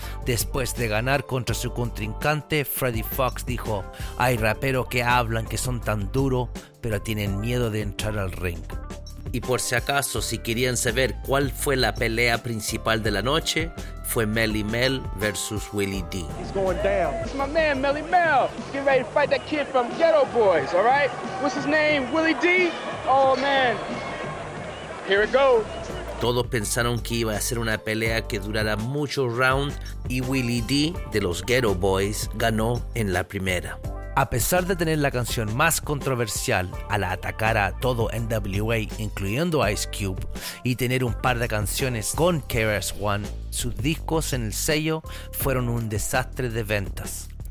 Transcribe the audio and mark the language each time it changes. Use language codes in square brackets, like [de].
[es] Después de ganar contra su contrincante, Freddie Fox dijo: "Hay raperos que hablan que son tan duros, pero tienen miedo de entrar al ring". Y por si acaso, si querían saber cuál fue la pelea principal de la noche, fue Melly Mel versus Willie D. [en] He's going down. This is my man, Melly Mel. Get ready to fight that kid from Ghetto Boys, all right? What's his name? Willie D? Oh, man. Here it goes. [es] Todos pensaron que iba a ser una pelea que durara muchos rounds y Willie D, de los Ghetto Boys, ganó en la primera. A pesar de tener la canción más controversial al atacar a todo N.W.A., incluyendo Ice Cube, y tener un par de canciones con KRS-One, sus discos en el sello fueron un desastre de ventas.